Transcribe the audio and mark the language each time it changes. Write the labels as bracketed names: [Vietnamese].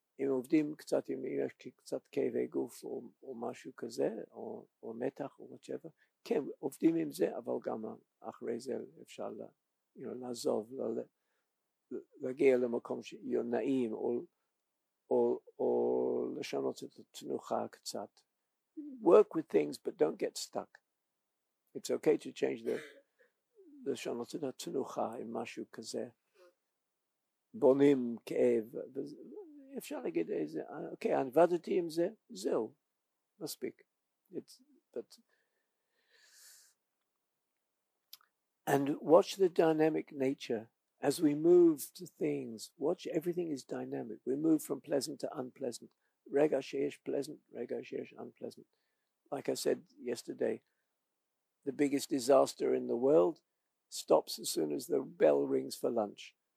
[Hebrew] אם עובדים קצת, אם יש קצת כאבי גוף או משהו כזה, או מתח או whatever, כן, עובדים עם זה, אבל גם אחרי זה אפשר לה. You know, לעזוב, להגיע למקום שיהיה נעים, או לשנות את התנוחה קצת. [English] Work with things, but don't get stuck. It's okay to change [Hebrew] לשנות את התנוחה עם משהו כזה. בונים כאב, אפשר להגיד איזה, אוקיי, אני עבדתי עם זה, זהו, מספיק. [English] And watch the dynamic nature as we move to things. Watch, everything is dynamic. We move from pleasant to unpleasant. [Hebrew] Rega sheyesh [English] pleasant, [Hebrew] rega sheyesh [English] unpleasant. Like I said yesterday, the biggest disaster in the world stops as soon as the bell rings for lunch.